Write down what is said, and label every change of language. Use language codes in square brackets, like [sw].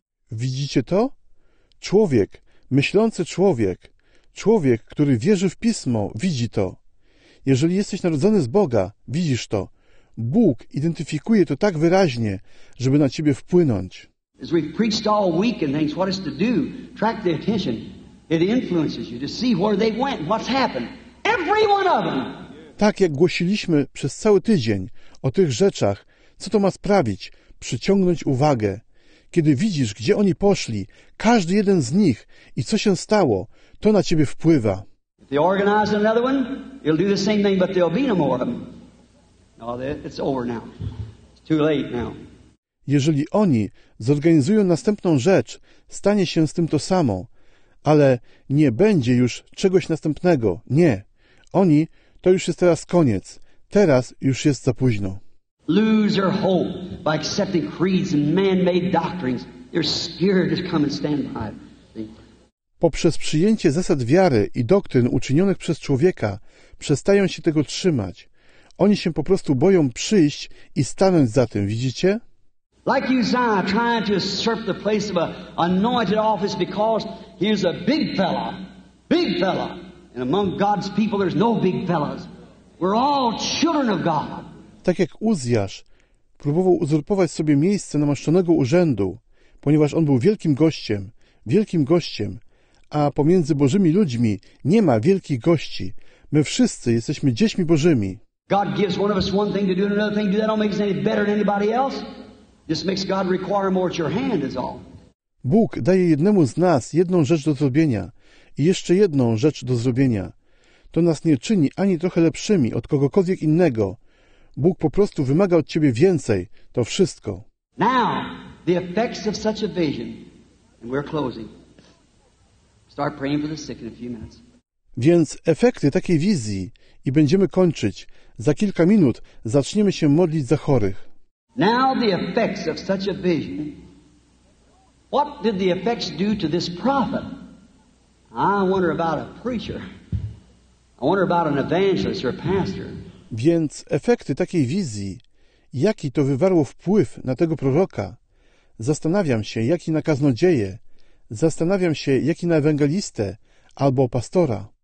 [pl] Widzicie to? Człowiek, myślący człowiek, człowiek, który wierzy w Pismo, widzi to. Jeżeli jesteś narodzony z Boga, widzisz to. Bóg identyfikuje to tak wyraźnie, żeby na ciebie wpłynąć. [en] As we've preached all week and things, what is to do? Track the attention. It influences you to see where they went, what's happened. Every one of them. [pl] Tak jak głosiliśmy przez cały tydzień o tych rzeczach, co to ma sprawić? Przyciągnąć uwagę. Kiedy widzisz, gdzie oni poszli, każdy jeden z nich i co się stało, to na ciebie wpływa. [en] They organize another one, it'll do the same thing, but there'll be no more of them. No, it's over now. It's too late now. [pl] Jeżeli oni zorganizują następną rzecz, stanie się z tym to samo, ale nie będzie już czegoś następnego. Nie. Oni, to już jest teraz koniec. Teraz już jest za późno. [en] Lose their hope by accepting creeds and man-made doctrines. They're scared to come and stand by. [pl] Poprzez przyjęcie zasad wiary i doktryn uczynionych przez człowieka przestają się tego trzymać. Oni się po prostu boją przyjść i stanąć za tym, widzicie? [en] Like Uzziah trying to usurp the place of an anointed office because he's a big fella. Big fella. And among God's people there's no big fellas. We're all children of God. [pl] Tak jak Uzziasz próbował uzurpować sobie miejsce namaszczonego urzędu, ponieważ on był wielkim gościem, a pomiędzy Bożymi ludźmi nie ma wielkich gości. My wszyscy jesteśmy dziećmi Bożymi. [en] God gives one of us one thing to do and another thing to do. That don't make us any better than anybody else. This makes God require more at your hand is all. [pl] Bóg daje jednemu z nas jedną rzecz do zrobienia i jeszcze jedną rzecz do zrobienia. To nas nie czyni ani trochę lepszymi od kogokolwiek innego. Bóg po prostu wymaga od ciebie więcej. To wszystko. [en] Now, the effects of such a vision, and we're closing. Start praying for the sick in a few minutes. [pl] Więc efekty takiej wizji i będziemy kończyć. Za kilka minut zaczniemy się modlić za chorych. [en] Now the effects of such a vision. What did the effects do to this prophet? I wonder about a preacher. I wonder about an evangelist or a pastor. [pl] Więc efekty takiej wizji, jaki to wywarło wpływ na tego proroka, zastanawiam się, jaki na kaznodzieje, zastanawiam się, jaki na ewangelistę albo pastora.